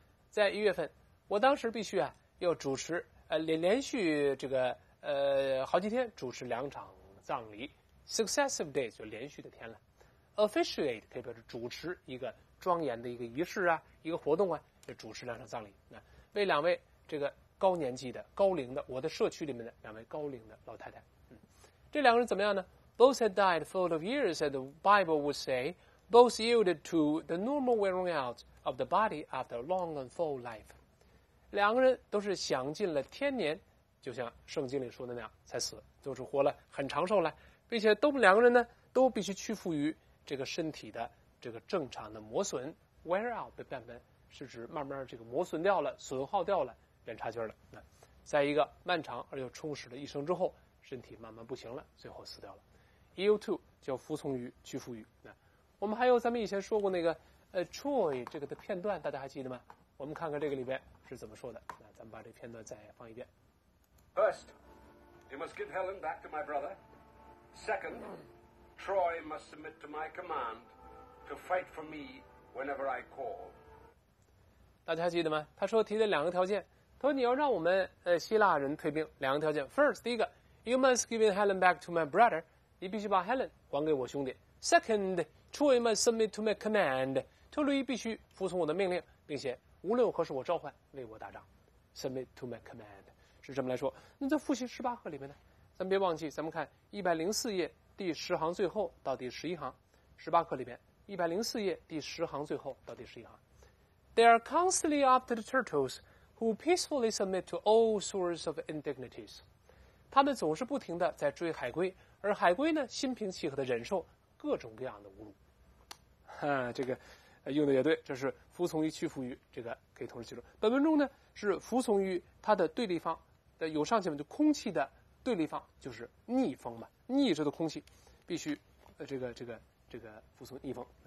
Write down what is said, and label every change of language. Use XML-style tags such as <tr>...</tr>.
<zh>在一月份，我当时必须啊要主持连续这个好几天主持两场葬礼。</zh> <en>Successive days</en> <zh>就连续的天了。Officiate 可以表示主持一个庄严的一个仪式啊，一个活动啊，就主持两场葬礼。那为两位这个高年纪的高龄的我的社区里面的两位高龄的老太太，这两个人怎么样呢？</zh> <en>Both had died full of years, as the Bible would say. Both yielded to the normal wearing out of the body after a long and full life.</en> <zh>两个人都是享尽了天年，就像圣经里说的那样才死，就是活了很长寿了，并且都两个人呢都必须屈服于这个身体的这个正常的磨损</zh> <en>wear out</en> <zh>的版本是指慢慢这个磨损掉了、损耗掉了、变差距了。那在一个漫长而又充实的一生之后，身体慢慢不行了，最后死掉了。</zh> <en>Yield to</en> <zh>叫服从于、屈服于。那我们还有咱们以前说过那个Troy 这个的片段，大家还记得吗？我们看看这个里边是怎么说的。那咱们把这片段再放一遍。</zh> <en>First, you must give Helen back to my brother. Second, Troy must submit to my command to fight for me whenever I call.</en> <zh>大家还记得吗？他说提的两个条件，他说你要让我们希腊人退兵，两个条件。</zh> <en>First，</en> <zh>第一个</zh> <en>，You must give Helen back to my brother，</en> <zh>你必须把 Helen 还给我兄弟。</zh> <en>Second， Troy must submit to my command，</en> <zh>特洛伊必须服从我的命令，并且无论何时我召唤为我打仗。</zh> <en>Submit to my command</en> <zh>是这么来说。那在复习十八课里面呢，咱们别忘记，咱们看104页第十行最后到第十一行，十八课里面104页第十行最后到第十一行。</zh> <en>They are constantly after the turtles who peacefully submit to all sorts of indignities.</en> <zh>他们总是不停地在追海龟，而海龟呢，心平气和地忍受各种各样的侮辱。哈，这个用的也对，这是服从于屈服于，这个可以同时记住。本文中呢是服从于它的对立方，有上下文，就空气的对立方就是逆风嘛，逆着的空气必须这个服从逆风。</zh>